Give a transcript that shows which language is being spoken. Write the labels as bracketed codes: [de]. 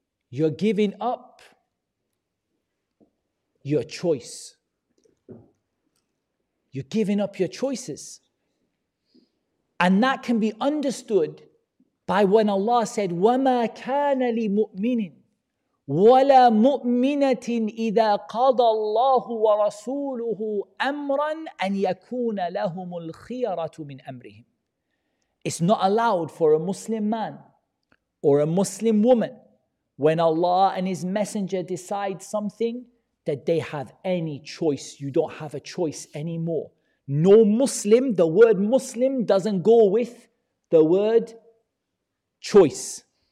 [en] You're giving up your choice. You're giving up your choices. And that can be understood by when Allah said, [ar] وَمَا كَانَ لِمُؤْمِنٍ ولا مؤمنة إذا قضى الله ورسوله أمرا أن يكون لهم الخيرة من أمرهم. [en] It's not allowed for a Muslim man or a Muslim woman when Allah and His Messenger decide something that they have any choice. You don't have a choice anymore. No Muslim, the word Muslim doesn't go with the word choice.